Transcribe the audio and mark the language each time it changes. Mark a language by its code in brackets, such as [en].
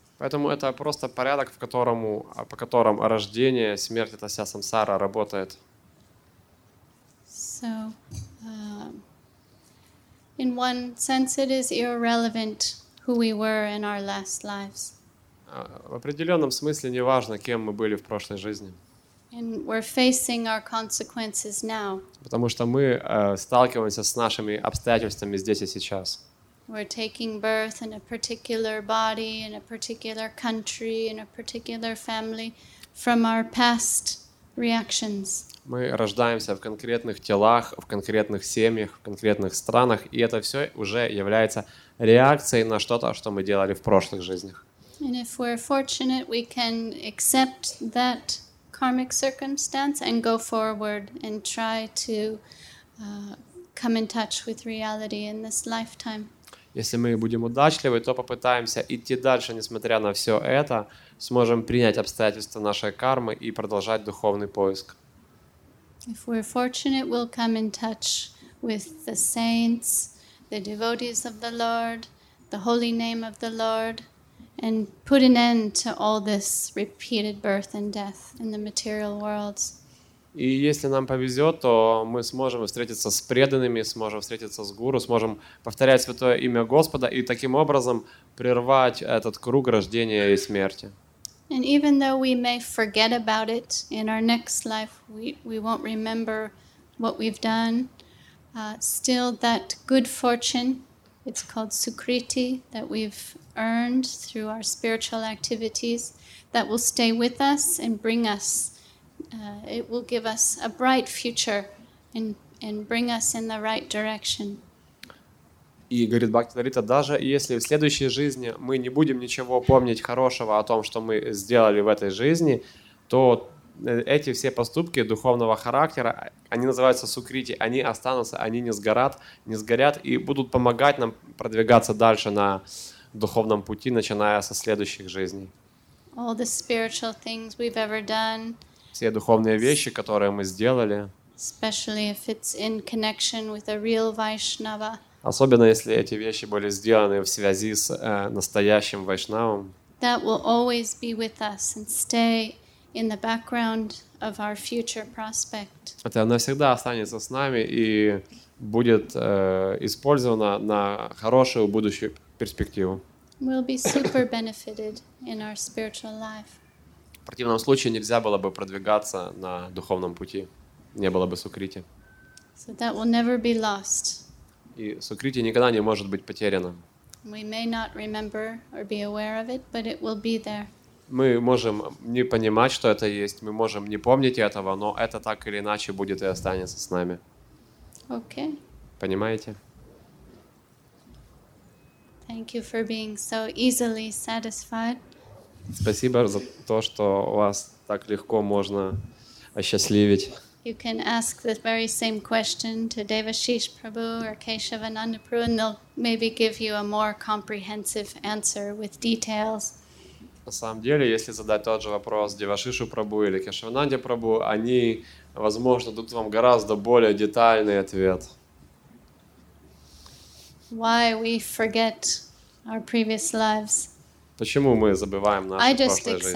[ru] Поэтому это просто порядок, по которому рождение, смерть, эта вся самсара работает. [en] So in one sense, it is irrelevant who we were in our last lives. [ru] В определенном смысле неважно, кем мы были в прошлой жизни. [en] And we're facing our consequences now. [ru] Потому что мы сталкиваемся с нашими обстоятельствами здесь и сейчас. [en] We're taking birth in a particular body, in a particular country, in a particular family from our past reactions. [ru] Мы рождаемся в конкретных телах, в конкретных семьях, в конкретных странах, и это все уже является реакцией на что-то, что мы делали в прошлых жизнях. [en] And if we're fortunate, we can accept that karmic circumstance and go forward and try to come in touch with reality in this lifetime. [ru] Если мы будем удачливы, то попытаемся идти дальше, несмотря на все это, сможем принять обстоятельства нашей кармы и продолжать духовный поиск. [en] If we're fortunate, we'll come in touch with the saints, the devotees of the Lord, the holy name of the Lord, and put an end to all this repeated birth and death in the material world. [ru] И если нам повезет, то мы сможем встретиться с преданными, сможем встретиться с гуру, сможем повторять святое имя Господа и таким образом прервать этот круг рождения и смерти. [en] And even though we may forget about it in our next life, we won't remember what we've done. Still, that good fortune, it's called sukriti, that we've earned through our spiritual activities, that will stay with us and bring us. It will give us a bright future and bring us in the right direction. [ru] И говорит Бхактивинода, даже если в следующей жизни мы не будем ничего помнить хорошего о том, что мы сделали в этой жизни, то эти все поступки духовного характера, они называются сукрити, они останутся, они не сгорят и будут помогать нам продвигаться дальше на духовном пути, начиная со следующих жизней. [en] All the spiritual things we've ever done. [ru] Все духовные вещи, которые мы сделали. [en] Especially if it's in connection with a real Vaishnava. [ru] Особенно если эти вещи были сделаны в связи с настоящим вайшнавом. [en] That will always be with us and stay in the background of our future prospect. [ru] Это навсегда останется с нами и будет использовано на хорошую будущую перспективу. [en] We'll be super benefited in our spiritual life. [ru] В противном случае нельзя было бы продвигаться на духовном пути, не было бы сукрити. [en] So that will never be lost. [ru] И сукрити никогда не может быть потеряно. [en] We may not remember or be aware of it, but it will be there. [ru] Мы можем не понимать, что это есть, мы можем не помнить этого, но это так или иначе будет и останется с нами. [en] Okay. [ru] Понимаете? [en] Thank you for being so easily satisfied. [ru] Спасибо за то, что вас так легко можно осчастливить. [en] You can ask the very same question to Devashish Prabhu or Keshavananda Prabhu, and they'll maybe give you a more comprehensive answer with details. [ru] На самом деле, если задать тот же вопрос Девашишу Прабу или Кешавананде Прабу, они, возможно, дадут вам гораздо более детальный ответ. [en] Why we forget our previous lives? [ru] Почему мы забываем наше прошлое жизнь?